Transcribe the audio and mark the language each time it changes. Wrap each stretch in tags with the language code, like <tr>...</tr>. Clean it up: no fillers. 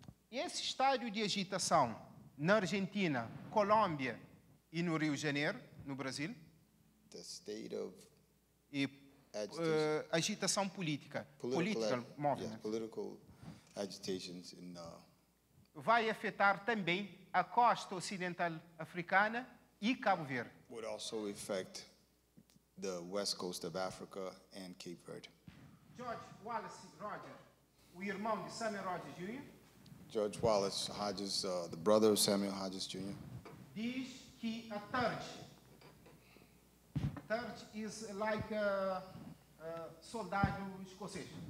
<pt>Esse estado de agitação na Argentina, Colômbia e no Rio de Janeiro, no Brasil,</pt> <en>the state of</en> <pt>e agitação política,</pt> <en>political movement, yeah, political agitations in,</en> <pt>vai afetar também a costa ocidental africana e Cabo Verde.</pt> <en>Would also affect the west coast of Africa and Cape Verde.</en> <pt>George Wallace Rogers, o irmão de Samuel Rogers Jr.</pt> <en>George Wallace Hodges, the brother of Samuel Hodges Jr.</en> <pt>diz que a tarde,</pt> <en>is like a</en> <pt>soldado escocês.</pt>